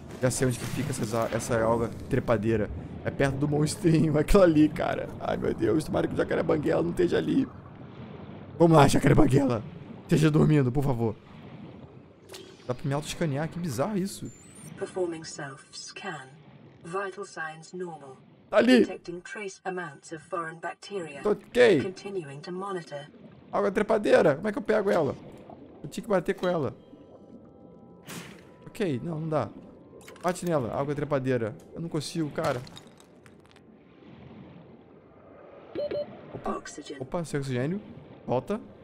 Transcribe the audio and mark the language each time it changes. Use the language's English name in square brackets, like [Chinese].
[Portuguese] Já sei onde que fica essa alga trepadeira. É perto do monstrinho, aquela ali, cara. Ai, meu Deus, tomara que o jacaré banguela não esteja ali. Vamos lá, jacaré banguela. Esteja dormindo, por favor. Dá pra me auto-escanear, que bizarro isso. [English] Performing self-scan. Vital signs normal. [Portuguese] Tá ali. [English] Detecting trace amounts of foreign bacteria. Ok. Continuing to monitor. [Portuguese] Alga trepadeira, como é que eu pego ela? Eu tinha que bater com ela. Ok, não dá. Bate nela, água trepadeira. Eu não consigo, cara. Opa, sem oxigênio. Volta.